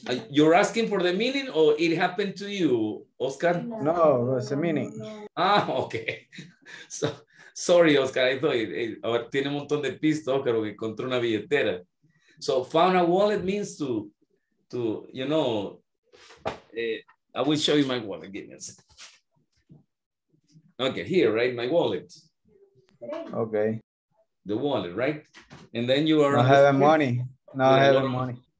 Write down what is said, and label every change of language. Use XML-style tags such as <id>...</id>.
<en>You're asking for the meaning or it happened to you, Oscar? No, it's the meaning. Ah, okay. So, sorry, Oscar. I thought</en> <es>tiene un montón de pistas, Oscar, que encontró una billetera.</es> <en>So, found a wallet means to you know, I will show you my wallet. Give me a second. Okay, here, right? My wallet. Okay. The wallet, right? And then you are... I have money. No, I have money.</en>